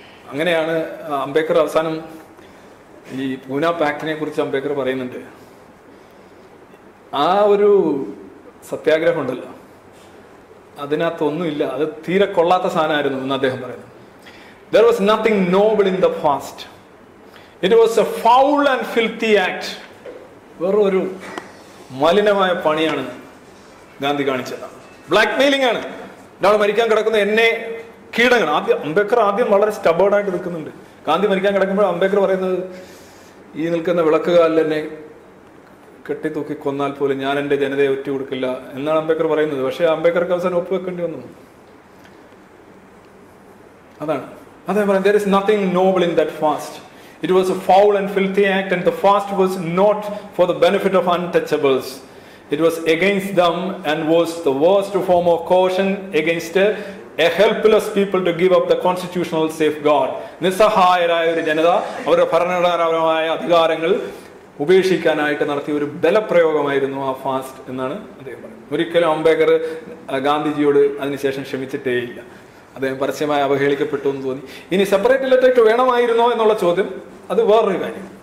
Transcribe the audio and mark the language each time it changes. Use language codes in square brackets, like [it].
[ml] അങ്ങനെയാണ് അംബേദ്കർ അവസാനം ഈ പൂന പാക്റ്റിനെ കുറിച്ച് അംബേദ്കർ പറയുന്നുണ്ട്. ആ ഒരു സത്യാഗ്രഹം ഉണ്ടല്ലോ, അതിനകത്തൊന്നുമില്ല, അത് തീരെ കൊള്ളാത്ത സാധനമായിരുന്നു എന്ന് അദ്ദേഹം പറയുന്നു. [en] There was nothing noble in the past. It was a foul and filthy act. [ml] വെറൊരു മലിനമായ പണിയാണ് ഗാന്ധി കാണിച്ചത്. ബ്ലാക്ക്മെയിലിംഗ് ആണ്. ഒരാൾ മരിക്കാൻ കിടക്കുന്ന എന്നെ കീടങ്ങൾ ആദ്യം അംബേദ്കർ ആദ്യം വളരെ സ്റ്റബേർഡ് ആയിട്ട് നിൽക്കുന്നുണ്ട്. ഗാന്ധി മരിക്കാൻ കിടക്കുമ്പോൾ അംബേദ്കർ പറയുന്നത് ഈ നിൽക്കുന്ന വിളക്കുകാരിൽ എന്നെ കെട്ടിത്തൂക്കി കൊന്നാൽ പോലും ഞാൻ എൻ്റെ ജനതയെ ഒറ്റുകൊടുക്കില്ല എന്നാണ് അംബേദ്കർ പറയുന്നത്. പക്ഷേ അംബേദ്കർക്ക് അവസാനം ഒപ്പുവെക്കേണ്ടി വന്നു. അതാണ് അദ്ദേഹം പറഞ്ഞത്. [en] There is nothing noble in that fast. It was a foul and filthy act, and the fast was not for the benefit of untouchables. It was against them and was the worst form of coercion against a helpless people to give up the constitutional safeguard. [ml] നിസ്സഹായരായ ഒരു ജനത അവരുടെ ഭരണഘടനാപരമായ അധികാരങ്ങൾ ഉപേക്ഷിക്കാനായിട്ട് നടത്തിയ ഒരു ബലപ്രയോഗമായിരുന്നു ആ fast എന്നാണ് അദ്ദേഹം പറഞ്ഞത്. ഒരിക്കലും അംബേദ്കർ ഗാന്ധിജിയോട് അതിനുശേഷം ക്ഷമിച്ചിട്ടേയില്ല. അദ്ദേഹം പരസ്യമായി അവഹേളിക്കപ്പെട്ടു എന്ന് തോന്നി. ഇനി സെപ്പറേറ്റ് ഇലക്ടറേറ്റ് വേണമായിരുന്നോ എന്നുള്ള ചോദ്യം അത് വേറൊരു കാര്യം.